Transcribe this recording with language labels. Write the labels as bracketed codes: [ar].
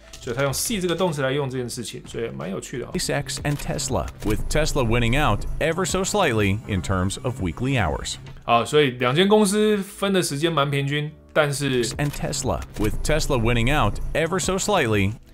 [zh] 所以他用 see 这个动词来用这件事情，所以蛮有趣的、哦。 [en] SpaceX and Tesla, with Tesla winning out ever so slightly in terms of weekly hours. [zh] 好，所以两间公司分的时间蛮平均，但是 [en] and Tesla, with Tesla winning out ever so slightly.